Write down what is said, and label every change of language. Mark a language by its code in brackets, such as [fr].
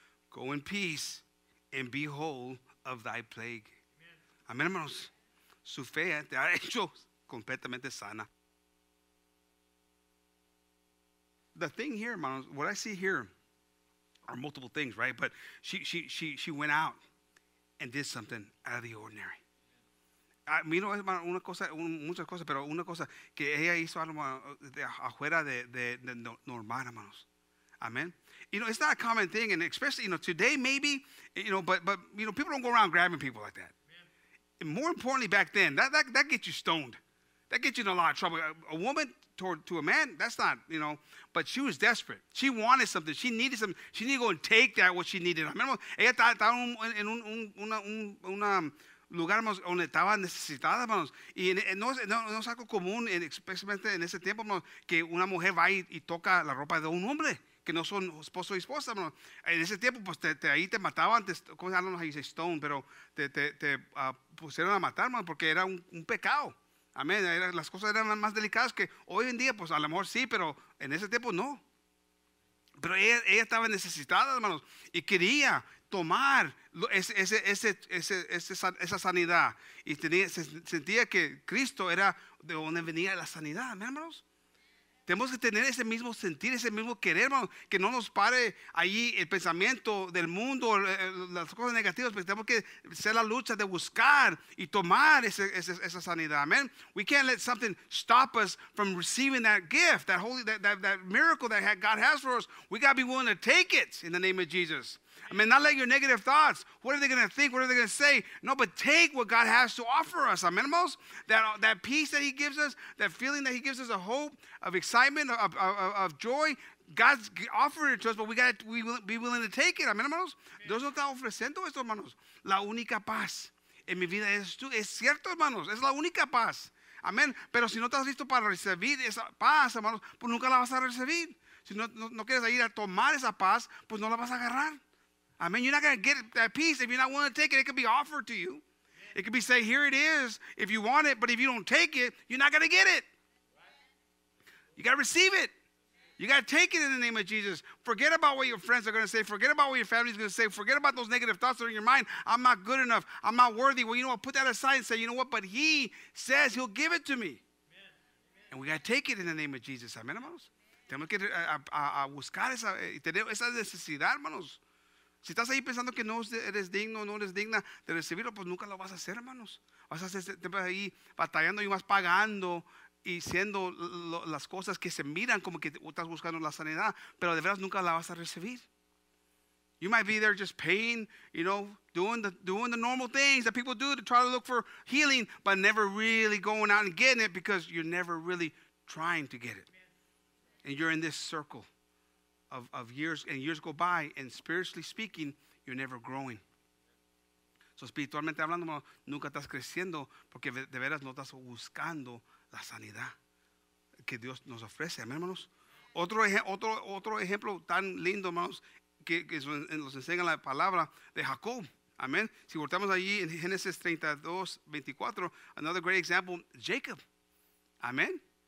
[en] Go in peace and be whole of thy plague. Amen, hermanos. [es] Su fe te ha hecho completamente sana. [en] The thing here, hermanos, what I see here are multiple things, right? But she went out and did something out of the ordinary. [es] Miro una cosa, muchas cosas, pero una cosa que ella hizo afuera de normal, hermanos. [en] Amen. You know, it's not a common thing, and especially, you know, today maybe, you know, but you know, people don't go around grabbing people like that. And more importantly, back then, that gets you stoned. That gets you in a lot of trouble. A woman to a man, that's not, you know, but she was desperate. She wanted something. She needed something. She needed to go and take that, what she needed. Amen. [es] Ella estaba en una lugar donde estaba necesitada, hermanos. Y no es algo común, especialmente en ese tiempo, hermanos, que una mujer va y toca la ropa de un hombre, que no son esposo y esposa, hermanos. En ese tiempo, pues, ahí te mataban, ¿cómo se llama? Ahí dice stone, pero te pusieron a matar, hermanos, porque era un pecado. Amén. Las cosas eran más delicadas que hoy en día, pues, a lo mejor sí, pero en ese tiempo no. Pero ella estaba necesitada, hermanos, y quería tomar esa sanidad. Y sentía que Cristo era de donde venía la sanidad, hermanos. Tenemos que tener ese mismo sentir, ese mismo querer, hermanos, que no nos pare ahí el pensamiento del mundo, las cosas negativas, porque tenemos que hacer la lucha de buscar y tomar esa sanidad, amen. [en] We can't let something stop us from receiving that gift, that miracle that God has for us. We got to be willing to take it in the name of Jesus. I mean, not let your negative thoughts, what are they going to think, what are they going to say? No, but take what God has to offer us, amen, hermanos? That peace that he gives us, that feeling that he gives us, a hope of excitement, of joy, God's offering it to us, but we be willing to take it, amen, hermanos? [es] Dios no está ofreciendo esto, hermanos. La única paz en mi vida es tú. Es cierto, hermanos, es la única paz, amen. Pero si no estás listo para recibir esa paz, hermanos, pues nunca la vas a recibir. Si no quieres ir a tomar esa paz, pues no la vas a agarrar. [en] I mean, you're not going to get that peace if you're not willing to take it. It could be offered to you. It could be said, here it is, if you want it. But if you don't take it, you're not going to get it. You got to receive it. You got to take it in the name of Jesus. Forget about what your friends are going to say. Forget about what your family is going to say. Forget about those negative thoughts that are in your mind. I'm not good enough. I'm not worthy. Well, you know what? Put that aside and say, you know what? But he says he'll give it to me. Amen. And we got to take it in the name of Jesus. [es] Amen, hermanos? Tenemos que buscar esa necesidad, hermanos. Si estás ahí pensando que no eres digno, no eres digna de recibirlo, pues nunca lo vas a hacer, hermanos. Vas a estar ahí batallando y más pagando y siendo las cosas que se miran como que estás buscando la sanidad, pero de veras nunca la vas a recibir. [en] You might be there just paying, you know, doing the normal things that people do to try to look for healing, but never really going out and getting it because you're never really trying to get it. And you're in this circle. Of years and years go by, and spiritually speaking, you're never growing. [es] So, espiritualmente hablando, nunca estás creciendo porque de veras no estás buscando la sanidad que Dios nos ofrece. Amén, hermanos. Otro ejemplo tan lindo, hermanos, que nos enseña la palabra de Jacob. Amén. Si voltamos allí en Génesis 32, 24, [en] another great example, [es] Jacob. Amén.